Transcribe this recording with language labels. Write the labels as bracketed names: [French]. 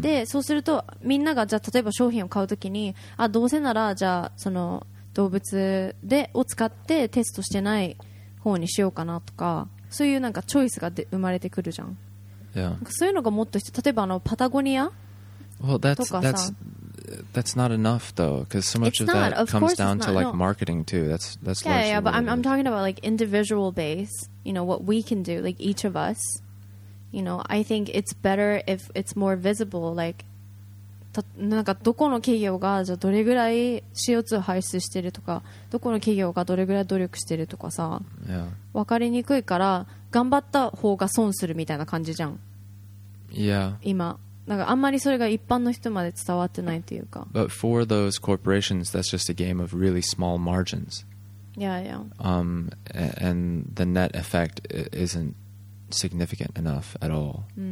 [Japanese] でそうするとみんなが、じゃあ例えば商品を買うときに、あ、どうせならじゃあその動物でを使ってテストしてない方にしようかなとか、そういうなんかチョイスが生まれてくるじゃん、 [English] yeah. [Japanese] そういうのがもっと、例えばあのパタゴニア、 [English] well, [Japanese] とかさ、 [English] that's not enough though, because so much、 it's、 of that not, of comes down to、 not. like、 marketing too. That's yeah, yeah, yeah, but I'm talking about like individual base, you know, what we can do, like each of us, you know, I think it's better if it's more visible, like, [Japanese] なんかどこの企業がじゃどれぐらい CO2 排出してるとか、どこの企業がどれぐらい努力してるとかさ、 [English] yeah. [Japanese] 分かりにくいから頑張った方が損するみたいな感じじゃん、 [English] yeah. [Japanese] 今なんかあんまりそれが一般の人まで伝わってないというか。 [English] But for those corporations, that's just a game of really small margins. Yeah, yeah. And the net effect isn't significant enough at all.